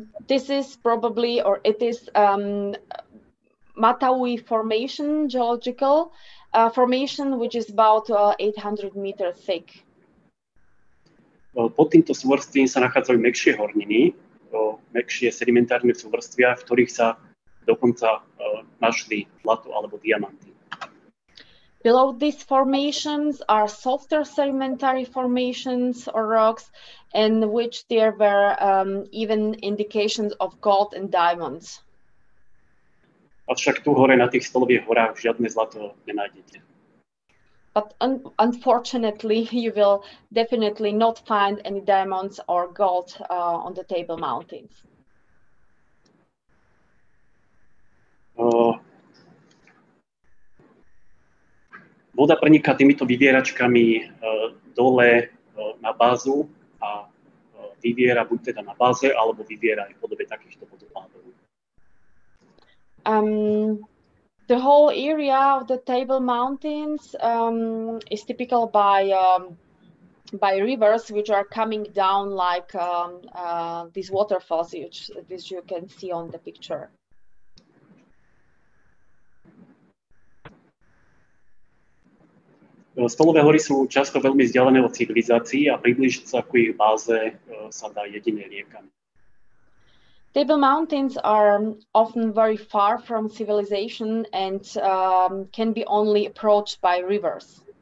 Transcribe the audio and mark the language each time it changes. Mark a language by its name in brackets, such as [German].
[English] This is probably, or it is, Tepui formation, geological formation, which is about 800 meters thick. [Slovak] Pod týmto súvrstvím sa nachádzajú mekšie horniny, mekšie sedimentárne súvrstvia, v ktorých sa dokonca našli zlato alebo diamanty. [English] Below these formations are softer sedimentary formations or rocks, in which there were even indications of gold and diamonds. [Slovak] Avšak tu hore na tých stolových horách žiadne zlato nenájdete. [English] But unfortunately, you will definitely not find any diamonds or gold on the Table Mountains. [Slovak] Voda preniká týmito vyvieračkami dole na bázu a vyviera buď teda na báze, alebo vyviera aj v podobe takýchto vodopádov. [English] The whole area of the Table Mountains is typical by rivers which are coming down like these waterfalls which you can see on the picture. [Slovak] Stolové hory sú často veľmi vzdialené od civilizácií a približiť sa k ich báze sa dá jedine riekami. [English] Table Mountains are often very far from civilization and can be only approached by rivers.